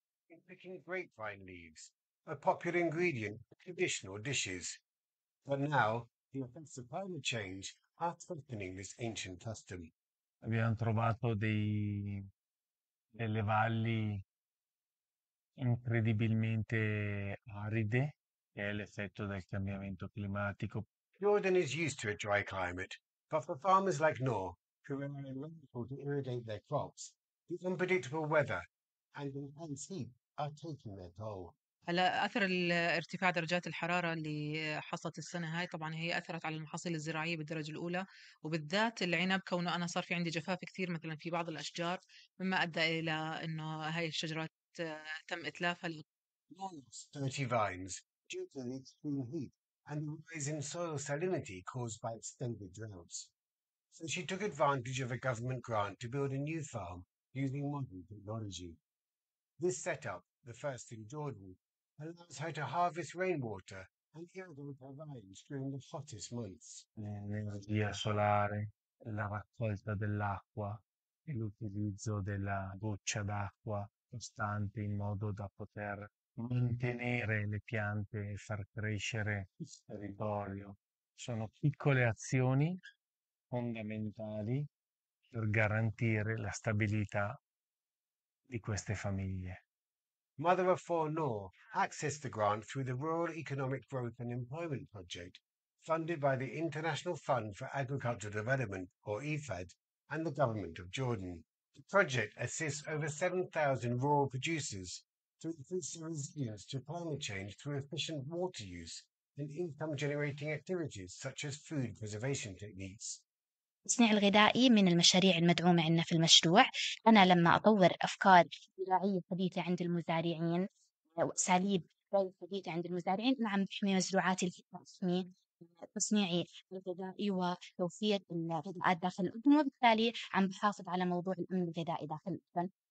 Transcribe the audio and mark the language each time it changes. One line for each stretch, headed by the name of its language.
English: In picking grapevine leaves, a popular ingredient for traditional dishes. But now, the effects of climate change are threatening this ancient custom.
Italian: Abbiamo trovato delle valli incredibilmente aride, che è l'effetto del cambiamento climatico.
English: Jordan is used to a dry climate, but for farmers like Noor, who rely on rainfall to irrigate their crops, the unpredictable weather and the intense heat are taking their toll.
Arabic: هلا اثر ارتفاع درجات الحراره اللي حصلت السنه هاي طبعا هي اثرت على المحاصيل الزراعيه بالدرجه الاولى وبالذات العنب كونه انا صار في عندي جفاف كثير مثلا في بعض الاشجار مما ادى الى انه هاي الشجرات تم اتلافها
English: Thirty vines due to the extreme heat and the rise in soil salinity caused by extended droughts. So she took advantage of a government grant to build a new farm using modern technology. This setup, the first in Jordan, allows her to harvest rainwater and irrigate her vines during the hottest months.
Italian: L'energia solare, la raccolta dell'acqua e l'utilizzo della goccia d'acqua costante in modo da poter mantenere le piante e far crescere il territorio. Sono piccole azioni fondamentali per garantire la stabilità di queste famiglie.
English: Mother of Four Noor accessed the grant through the Rural Economic Growth and Employment Project, funded by the International Fund for Agricultural Development, or IFAD, and the government of Jordan. The project assists over 7,000 rural producers to increase their resilience to climate change through efficient water use and income-generating activities such as food preservation techniques.
Arabic: التصنيع الغذائي من المشاريع المدعومة عندنا في المشروع. أنا لما أطور أفكار زراعية حديثة عند المزارعين وأساليب زراعية حديثة عند المزارعين، نعم بحمي مزروعاتي الحكومية تصنيعي الغذائي وتوفير الغذاء داخل الأردن، وبالتالي عم بحافظ على موضوع الأمن الغذائي داخل الأردن.